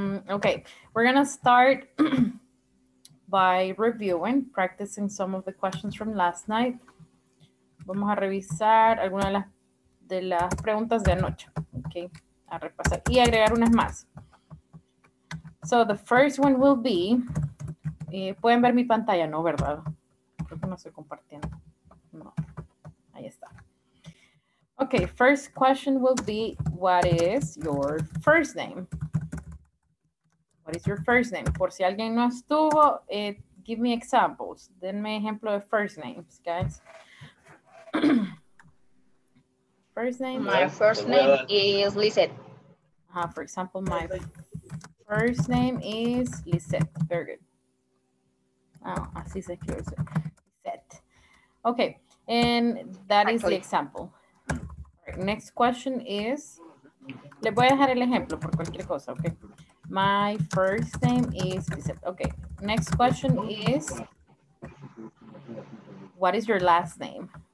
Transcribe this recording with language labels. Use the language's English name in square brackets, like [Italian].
[English] Ok, we're going to start by reviewing, practicing some of the questions from last night. [Spanish] Vamos a revisar algunas de las preguntas de anoche. Ok, a repasar y agregar unas más. [English] So the first one will be, [Spanish] pueden ver mi pantalla, ¿no? ¿Verdad? Creo que no estoy compartiendo. No. Ahí está. [English] Okay, first question will be, what is your first name? What is your first name? [Spanish] Por si alguien no estuvo, [English] give me examples. [Spanish] Denme ejemplo de first names, guys. [English] First name. My first name is Lisette. For example, my first name is Lisette. Very good. [Spanish] Oh, así se escribe. Lisette. Okay. [English] And that is the example. Right, next question is, [Spanish] le voy a dejar el ejemplo por cualquier cosa, okay? [English] My first name is, okay. Next question is, what is your last name?